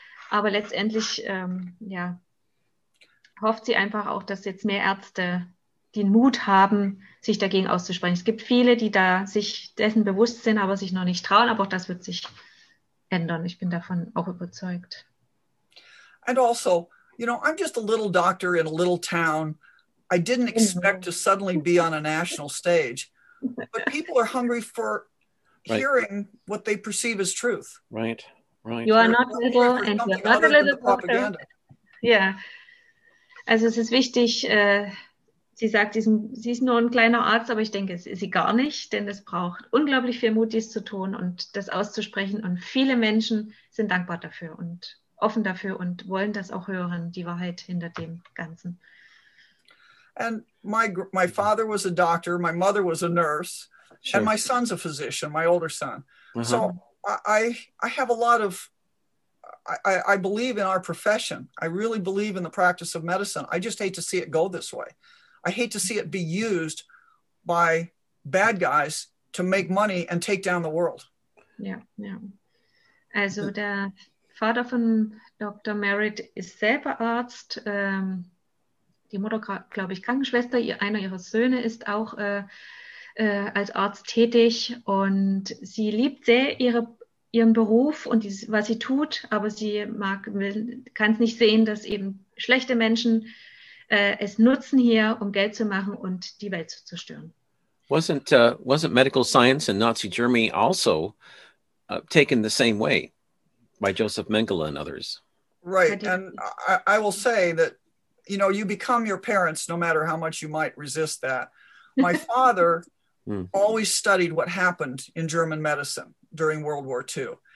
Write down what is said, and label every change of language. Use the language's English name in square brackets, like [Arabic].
[German] Aber letztendlich ja, hofft sie einfach auch, dass jetzt mehr Ärzte den Mut haben, sich dagegen auszusprechen. Es gibt viele, die da sich dessen bewusst sind, aber sich noch nicht trauen. Aber auch das wird sich ändern. Ich bin davon auch überzeugt. [English] And also, you know, I'm just a little doctor in a little town. I didn't expect to suddenly be on a national stage. But people are hungry for hearing right. what they perceive as truth. Right, right. You are not little and you are not a little doctor. Yeah. [German] Also es ist wichtig, sie sagt, sie ist nur ein kleiner Arzt, aber ich denke, es ist sie gar nicht, denn es braucht unglaublich viel Mut, dies zu tun und das auszusprechen. Und viele Menschen sind dankbar dafür und offen dafür und wollen das auch hören, die Wahrheit hinter dem Ganzen. [English] And my father was a doctor, my mother was a nurse, sure. and my son's a physician, my older son. Uh-huh. So I have a lot of, I believe in our profession. I really believe in the practice of medicine. I just hate to see it go this way. I hate to see it be used by bad guys to make money and take down the world. [German] Yeah, yeah. Also der Vater von Dr. Merritt ist selber Arzt, die Mutter, glaube ich, Krankenschwester, einer ihrer Söhne ist auch als Arzt tätig und sie liebt sehr ihren Beruf und was sie tut, aber sie kann es nicht sehen, dass eben schlechte Menschen es nutzen hier, um Geld zu machen und die Welt zu zerstören. [English] Wasn't medical science in Nazi Germany also taken the same way by Joseph Mengele and others? Right, and I will say that you know, you become your parents no matter how much you might resist that. My father always studied what happened in German medicine during World War II.